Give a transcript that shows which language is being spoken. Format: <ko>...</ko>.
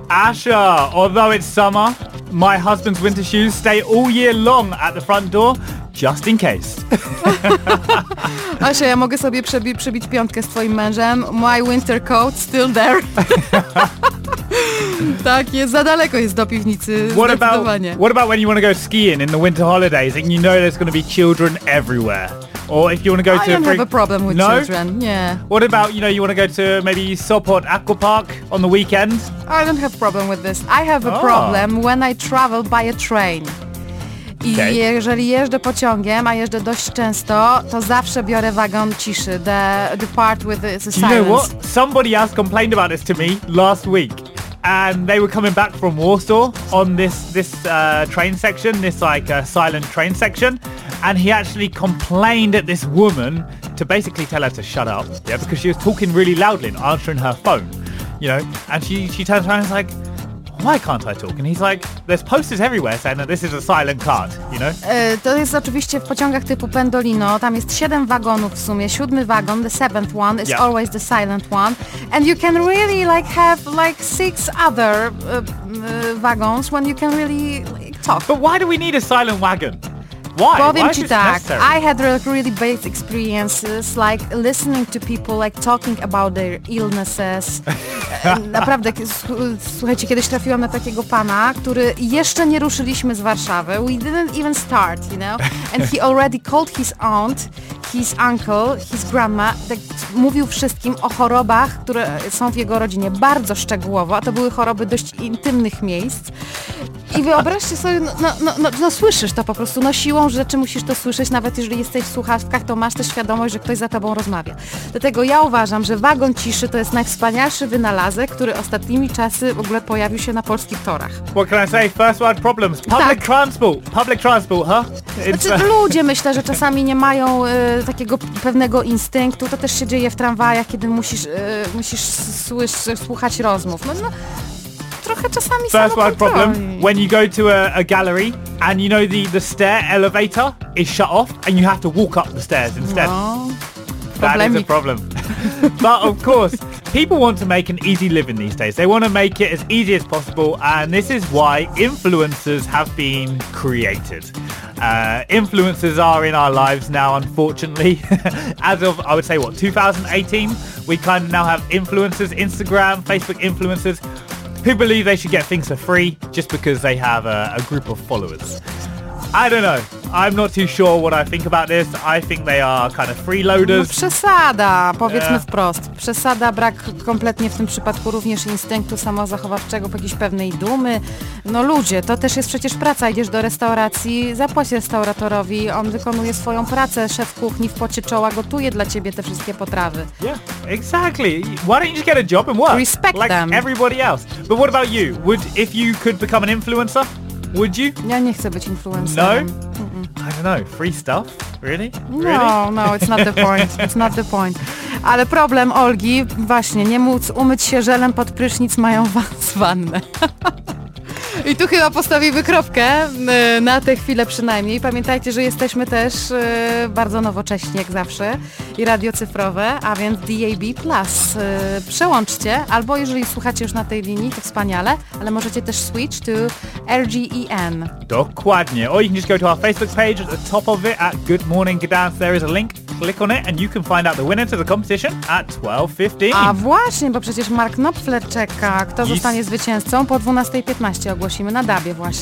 <en>Usher, although it's summer, my husband's winter shoes stay all year long at the front door, just in case.</en> <pl>Usher, ja mogę sobie przybić piątkę z twoim mężem.</pl> <en>My winter coat still there.</en> <pl>Tak jest, za daleko jest do piwnicy, zdecydowanie.</pl> <en>What about when you want to go skiing in the winter holidays and you know there's going to be children everywhere? Or if you want to go I to don't a have a problem with no? children. Yeah. What about, you know, you want to go to maybe Sopot Aqua Park on the weekend? I don't have a problem with this. I have a problem when I travel by a train.</en> <pl>Okay. I jeżeli jeżdżę pociągiem, a jeżdżę dość często, to zawsze biorę wagon ciszy,</pl> <en>the part with the silence. Do you know what? Somebody else complained about this to me last week. And they were coming back from Warsaw on this train section, this like silent train section. And he actually complained at this woman to basically tell her to shut up. Yeah, because she was talking really loudly and answering her phone, you know. And she turns around and is like, why can't I talk? And he's like, there's posters everywhere saying that this is a silent card, you know.</en> <pl>To jest oczywiście w pociągach typu Pendolino. Tam jest 7 wagonów w sumie.</pl> <en>7 wagon, the 7th one, is always the silent one. And you can really like have like 6 other wagons when you can really like, talk. But why do we need a silent wagon? Why?</en> <pl>Powiem</pl> <en>Why</en> <pl>ci tak,</pl> <en>I had really bad experiences, like listening to people like talking about their illnesses.</en> <pl>Naprawdę, słuchajcie, kiedyś trafiłam na takiego pana, który jeszcze nie ruszyliśmy z Warszawy.</pl> <en>We didn't even start, you know? And he already called his aunt, his uncle, his grandma,</en> <pl>tak mówił wszystkim o chorobach, które są w jego rodzinie bardzo szczegółowo, a to były choroby dość intymnych miejsc. I wyobraźcie sobie, no słyszysz to po prostu, no siłą rzeczy musisz to słyszeć, nawet jeżeli jesteś w słuchawkach, to masz też świadomość, że ktoś za tobą rozmawia. Dlatego ja uważam, że wagon ciszy to jest najwspanialszy wynalazek, który ostatnimi czasy w ogóle pojawił się na polskich torach.</pl> <en>What can I say? First world problems. Public transport, huh?</en> <pl>Znaczy ludzie myślę, że czasami nie mają takiego pewnego instynktu, to też się dzieje w tramwajach, kiedy musisz słuchać rozmów. No,</pl> <en>First world problem, when you go to a gallery and you know the stair elevator is shut off and you have to walk up the stairs instead.</en> <pl>No. problemik.</pl> <en>That is a problem. But of course, people want to make an easy living these days. They want to make it as easy as possible, and this is why influencers have been created. Influencers are in our lives now, unfortunately. As of, I would say, what, 2018, we kind of now have influencers, Instagram, Facebook influencers, who believe they should get things for free just because they have a group of followers. I don't know. I'm not too sure what I think about this. I think they are kind of freeloaders.</en> <pl>No, przesada, powiedzmy wprost. Przesada, brak kompletnie w tym przypadku również instynktu samozachowawczego, jakiejś pewnej dumy. No ludzie, to też jest przecież praca. Idziesz do restauracji, zapłać restauratorowi, on wykonuje swoją pracę, szef kuchni w pocie czoła gotuje dla ciebie te wszystkie potrawy.</pl> <en>Yeah, exactly. Why don't you just get a job and work? Respect like them. Like everybody else. But what about you? Would, if you could become an influencer, would you?</en> <pl>Ja nie chcę być influencerem.</pl> <en>No? I don't know, free stuff? Really? No, no, it's not the point, it's not the point.</en> <pl>Ale problem Olgi, właśnie, nie móc umyć się żelem pod prysznic, mają was wannę. I tu chyba postawimy kropkę, na tę chwilę przynajmniej. Pamiętajcie, że jesteśmy też bardzo nowocześni jak zawsze i radio cyfrowe, a więc DAB+. Przełączcie, albo jeżeli słuchacie już na tej linii, to wspaniale, ale możecie też</pl> <en>switch to LGEN.</en> <pl>Dokładnie.</pl> <en>Or you can just go to our Facebook page at the top of it at Good Morning Gdansk. There is a link. Click on it and you can find out the winner to the competition at 12:15.</en> <pl>A właśnie, bo przecież Mark Knopfler czeka. Kto zostanie zwycięzcą? Po 12:15 ogłosimy na DAB-ie właśnie.</pl>